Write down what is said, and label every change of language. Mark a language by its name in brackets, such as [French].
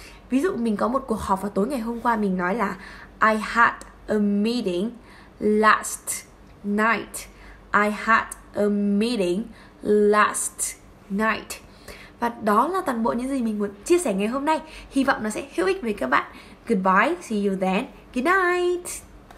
[Vietnamese] Ví dụ mình có một cuộc họp vào tối ngày hôm qua, mình nói là [English] I had a meeting last night. I had a meeting last night. [Vietnamese] Và đó là toàn bộ những gì mình muốn chia sẻ ngày hôm nay. Hy vọng nó sẽ hữu ích với các bạn. [English] Goodbye, see you then. Good night.